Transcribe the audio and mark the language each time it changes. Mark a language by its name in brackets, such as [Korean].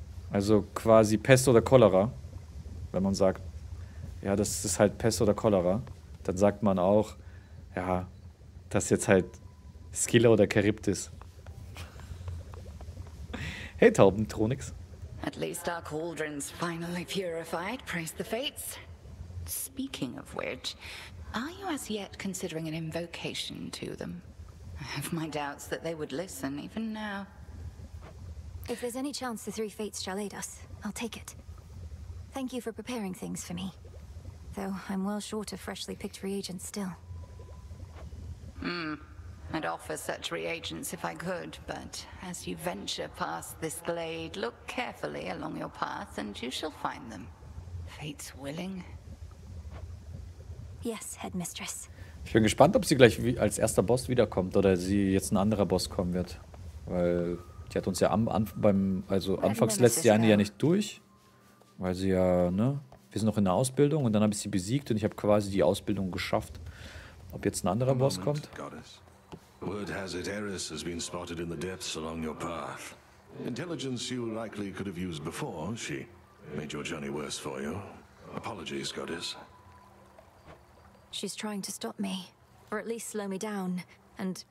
[German] Also quasi Pest oder Cholera. Wenn man sagt, ja, das ist halt Pest oder Cholera, dann sagt man auch, ja, das ist jetzt halt Skylla oder Charybdis. Hey Taubentronix. [English] At least our cauldron's finally purified, praise the fates. Speaking of which, are you as yet considering an invocation to them? I have my doubts that they would listen even now. If there's any chance the three fates shall aid us, I'll take it. Thank you for preparing things for me. Though I'm well short of freshly picked reagents still. I'd offer such reagents if I could, but as you venture past this glade, look carefully along your path and you shall find them. Fate's willing. Yes, Headmistress. [German] Ich bin gespannt, ob sie gleich als erster Boss wiederkommt oder sie jetzt ein anderer Boss kommen wird. Weil die hat uns ja anfangs lässt sie eine ja nicht durch. Weil sie ja, ne? Wir sind noch in der Ausbildung und dann habe ich sie besiegt und ich habe quasi die Ausbildung geschafft. Ob jetzt ein anderer Boss kommt? [English] Word has it, Eris has been spotted in the depths along your path. Intelligence you likely could have used before. She made your journey worse for you. Apologies, goddess. She's trying to stop me, or at least slow me down, and